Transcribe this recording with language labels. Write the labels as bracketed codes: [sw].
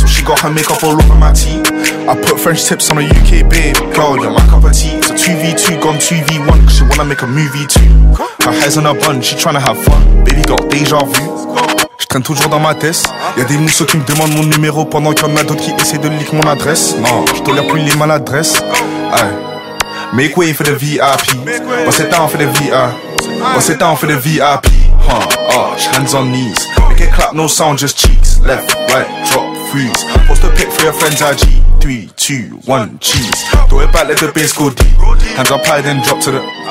[en] So she got her makeup all over my tea. I put French tips on a UK babe. Girl, you're my cup of tea. So 2v2 gone 2v1. Cause she wanna make a movie too. Her hair's on her bun, she tryna have fun. Baby got déjà vu. [fr] Je traîne toujours dans ma tête. Y'a des mousseaux qui me demandent mon numéro. Pendant qu'il y en a d'autres qui essaient de leak mon adresse. Non, je tolère plus les maladresses. [en] Aye. Make way for the VIP. What's it down for the VIP? What's it down for the VIP? Huh, arch, hands on knees. Make it clap, no sound, just cheeks. Left, right, drop, freeze. Post a pic for your friends, IG. 3, 2, 1, cheese. Throw it back, let the bass go deep. Hands up high, then drop to the.